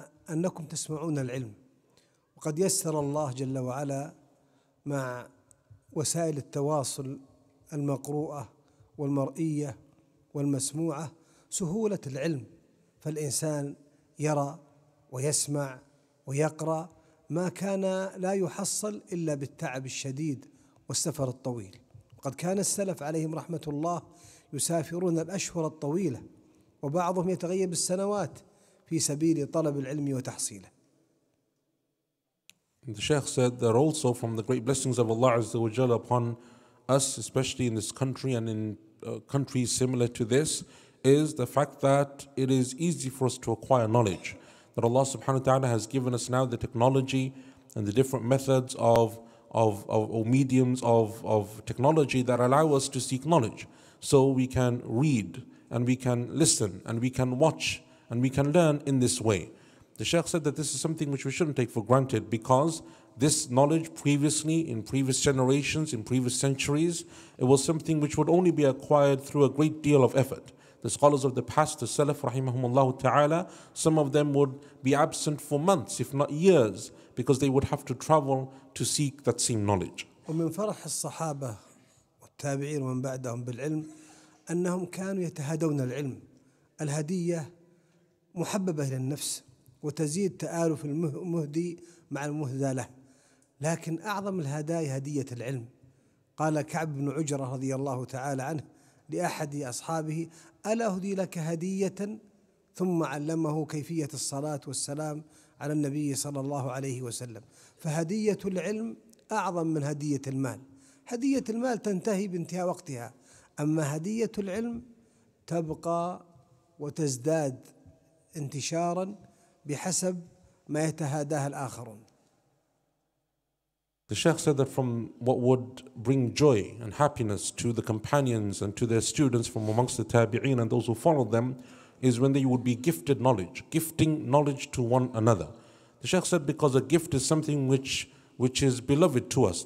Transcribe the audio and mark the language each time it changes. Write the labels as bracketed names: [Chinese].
[Arabic] أنكم تسمعون العلم، وقد يسر الله جل وعلا مع وسائل التواصل المقروءة والمرئية والمسموعة سهولة العلم، فالإنسان يرى ويسمع ويقرأ ما كان لا يحصل إلا بالتعب الشديد والسفر الطويل. قد كان السلف عليهم رحمة الله يسافرون الأشهر الطويلة، وبعضهم يتغيب السنوات في سبيل طلب العلم وتحصيله. [English] The Shaykh said that also from the great blessings of Allah Azza wa Jalla upon us, especially in this country and in countries similar to this, is the fact that it is easy for us to acquire knowledge. That Allah subhanahu wa ta'ala has given us now the technology and the different methods of mediums of technology that allow us to seek knowledge. So we can read and we can listen and we can watch and we can learn in this way. The Shaykh said that this is something which we shouldn't take for granted, because this knowledge previously, in previous generations, in previous centuries, it was something which would only be acquired through a great deal of effort. The scholars of the past, the Salaf, rahimahumullah ta'ala, some of them would be absent for months, if not years, because they would have to travel to seek that same knowledge. [Arabic] ومن فرح الصحابة والتابعين ومن بعدهم بالعلم أنهم كانوا يتهادون العلم. الهدية محببة للنفس وتزيد تآلف المهدي مع المهدى له، لكن أعظم الهدايا هدية العلم. قال كعب بن عجرة رضي الله تعالى عنه لأحد أصحابه: ألا أهدي لك هدية؟ ثم علمه كيفية الصلاة والسلام على النبي صلى الله عليه وسلم. فهدية العلم أعظم من هدية المال. هدية المال تنتهي بانتهاء وقتها، أما هدية العلم تبقى وتزداد انتشارا بحسب ما يتهاداها الآخرون. [English] The Shaykh said that from what would bring joy and happiness to the companions and to their students from amongst the tabi'een and those who followed them is when they would be gifted knowledge, gifting knowledge to one another. The Shaykh said because a gift is something which is beloved to us.